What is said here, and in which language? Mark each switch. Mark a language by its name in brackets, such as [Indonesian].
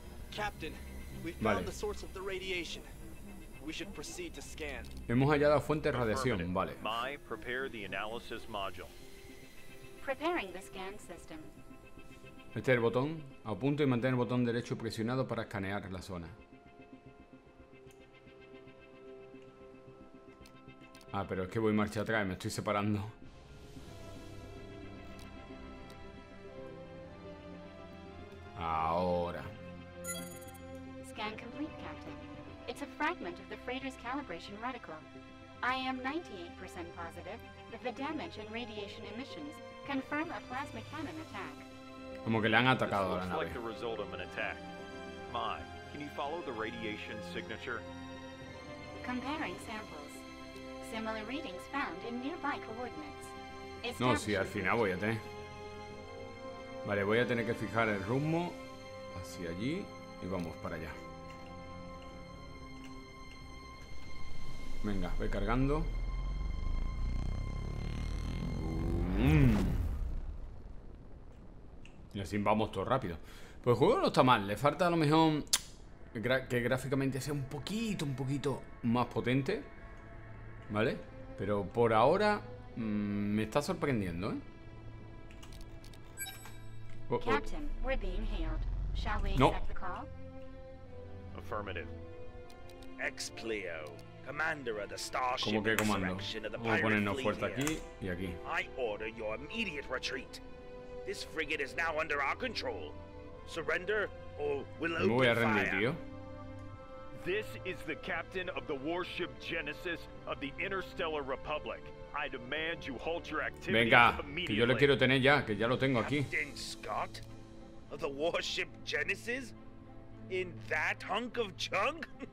[English] Captain, we've found the source of the radiation. We should proceed to scan. [Spanish] Hemos hallado fuente de radiación, vale. [English] My, prepare the analysis module. Preparing the scan system. [Spanish] Este es el botón. Apunto y mantén el botón derecho presionado para escanear la zona. Ah, pero es que voy marcha atrás, me estoy separando. Ahora. [English] Scan complete, Captain. It's a fragment of the freighter's calibration reticle. I am 98% positive that the damage and radiation emissions confirm a plasma cannon attack. [Spanish] Como que le han atacado a la nave. [English] This looks like the result of an attack. My, can you follow the radiation signature? Comparing samples. Similar readings found in nearby coordinates. [Spanish] No, sí, al final voy a tener. Vale, voy a tener que fijar el rumbo hacia allí y vamos para allá. Venga, voy cargando. Y así vamos todo rápido. Pues el juego no está mal, le falta a lo mejor que gráficamente sea un poquito más potente, ¿vale? Pero por ahora me está sorprendiendo, ¿eh? [English] Captain, we're being hailed. Shall we accept the call? Affirmative. Ex-Pleo, commander of the Starship. [Spanish] ¿Cómo que comando? Vamos a ponernos fuerte aquí y aquí. [English] I order your immediate retreat. This frigate is now under our control. Surrender or we'll open fire. [Spanish] Me voy a rendir, tío. [English] This is the captain of the warship Genesis of the Interstellar Republic. I demand you halt your activities. [Spanish] Venga, que yo le quiero tener ya, que ya lo tengo aquí. [English] Captain Scott of the warship Genesis in that hunk of junk.